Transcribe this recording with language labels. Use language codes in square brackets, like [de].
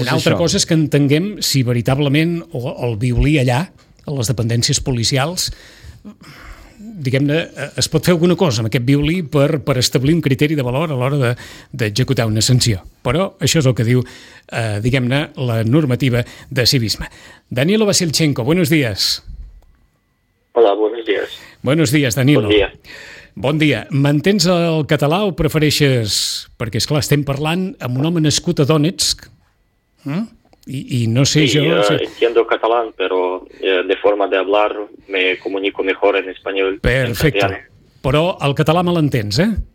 [ca] és això. Una altra cosa és que entenguem si veritablement el violí allà, a les dependències policials, diguem-ne, es pot fer alguna cosa amb aquest violí per establir un criteri de valor a l'hora d'executar una sanció. Però això és el que diu, diguem-ne, la normativa de civisme. [es] Danilo Vasilchenko, buenos días. Hola, buenos días. Buenos días, Danilo. [ca] Bon dia. Bon dia. Mantens el català o prefereixes... Perquè, és clar, estem parlant amb un home nascut a Donetsk, I no sé, sí, jo... [es] Entiendo catalán, pero de forma de hablar me comunico mejor en español. Perfecto. [ca] En però el català me l'entens, eh?